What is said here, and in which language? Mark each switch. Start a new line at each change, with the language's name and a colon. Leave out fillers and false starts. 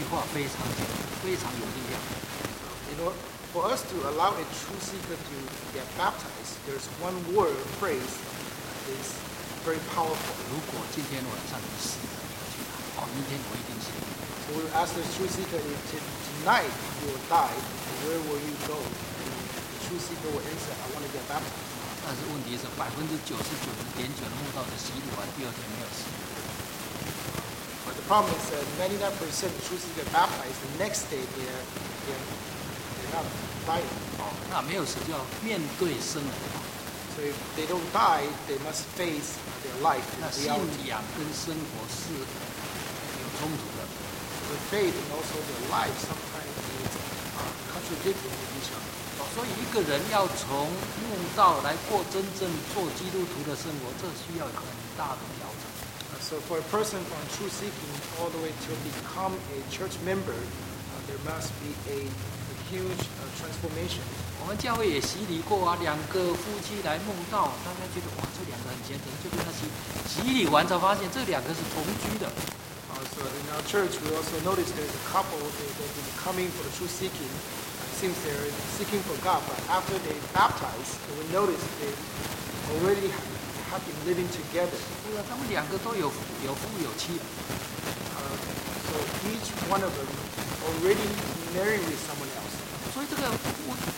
Chinese: 我们觉得要让慕道者受洗，有一句话非常有力量。
English: You know, for us to allow a true seeker to get baptized, there's one word phrase that is very powerful.
Chinese: 如果今天晚上你死了，你要去哪？哦，明天我一定去。
English: We will ask the true seeker if tonight you will die, where will you go? The true seeker will answer, I want to get baptized.
Chinese: 但是问题是 99.9%的牧道者洗礼完第二天没有死。
English: But the problem is that 99% the true seeker baptized, the next day they're not dying.
Chinese: 那没有死就要面对生活。
English: So if they don't die, they must face their life.
Chinese: 那信仰跟生活是有冲突的。
English: The faith and also their life sometimes is contradicting with each other.
Chinese: 所以一个人要从慕道来过真正做基督徒的生活，这需要很大的调整。
English: So for a person on true seeking all the way to become a church member, there must be a huge transformation.
Chinese: 我们教会也洗礼过啊，两个夫妻来慕道，大家觉得哇，这两个很虔诚，就跟他洗礼完才发现这两个是同居的。
English: So in our church, we also noticed there's a couple, they've been coming for the true seeking. Seems they're seeking for God, but after they baptize, they will notice they already have been living together.
Chinese: 对啊，他们两个都有夫有妻。
English: So each one of them already married with someone else.